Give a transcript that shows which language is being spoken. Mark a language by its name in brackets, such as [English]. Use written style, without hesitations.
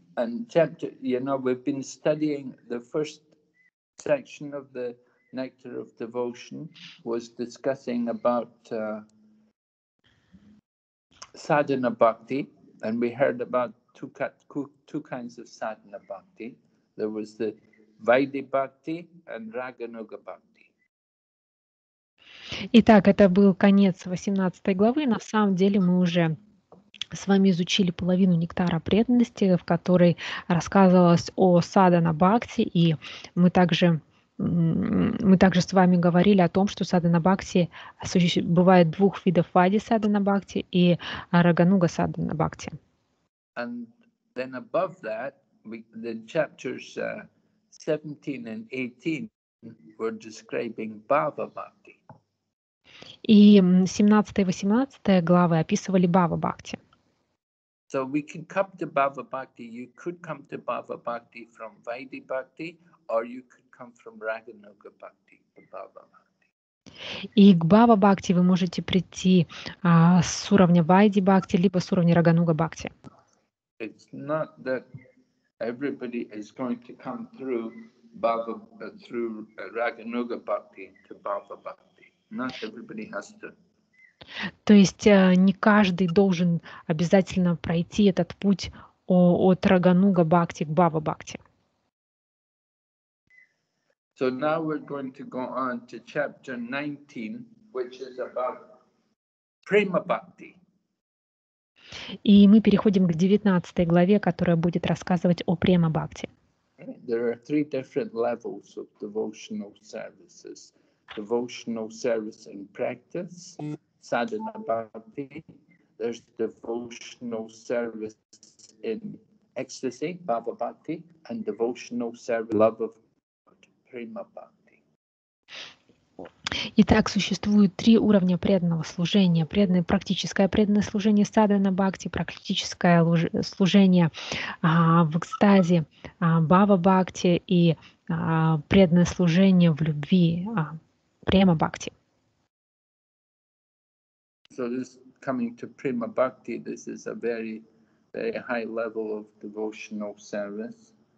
[English] And chapter, you know, we've been studying the first section of the Nectar of Devotion was discussing about sadhana bhakti. And we heard about two kinds of sadhana bhakti. There was the Vaidhi bhakti and Raganuga bhakti. [Russian] Итак, это был конец 18 главы. На самом деле мы уже с вами изучили половину нектара преданности, в которой рассказывалось о садхана бхакти, и мы также с вами говорили о том, что садхана бхакти бывает двух видов: вайди садхана бхакти и рагануга садхана бхакти. [English] And then above that, the chapters 17 and 18 were describing bhava bhakti. [Russian] И 17 и 18 главы описывали Бхава-бхакти. [English] So we can come to Бхава-бхакти. You could come to Бхава-бхакти from Вайди-бхакти, or you could come from Рагануга-бхакти, to Бхава-бхакти. [Russian] И к Бхава-бхакти вы можете прийти с уровня Вайди-бхакти, либо с уровня Рагануга-бхакти. [English] It's not that everybody is going to come through Бхава, through Рагануга-бхакти to Бхава-бхакти. Not everybody has to. [Russian] То есть не каждый должен обязательно пройти этот путь от Рагануга Бхакти к Бхава Бхакти. [English] So now we're going to go on to chapter 19, which is about Prema Bhakti. [Russian] И мы переходим к 19 главе, которая будет рассказывать о Prema Bhakti. [English] There are three different levels of devotional services. Devotional service and practice, sadhana bhakti. There's devotional service in ecstasy, bhava bhakti, and devotional service, love of God, prema bhakti. [Russian] Итак, существует три уровня преданного служения: преданное практическое преданное служение, садхана бхакти, практическое служение в экстазе, бхава бхакти, и преданное служение в любви. [English] Prema Bhakti. So this coming to Prema Bhakti, this is a very, very high level of devotional service.